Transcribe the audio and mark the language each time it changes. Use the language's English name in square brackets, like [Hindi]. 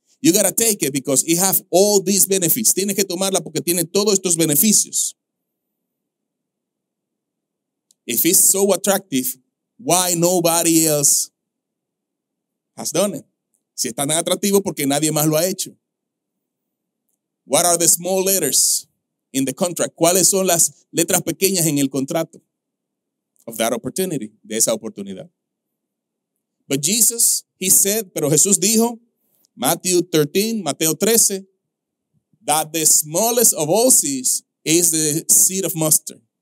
[English] You gotta take it because it has all these benefits. [Spanish] Tienes que tomarla porque tiene todos estos beneficios. [English] If it's so attractive, why nobody else has done it? [Spanish] Si es tan atractivo, porque nadie más lo ha hecho. [English] What are the small letters in the contract? [Spanish] ¿Cuáles son las letras pequeñas en el contrato? [English] Of that opportunity, [Spanish] de esa oportunidad. [English] But Jesus, he said, [Spanish] pero Jesús dijo, [English] Mateo 13, that the smallest of all seeds is the seed of mustard.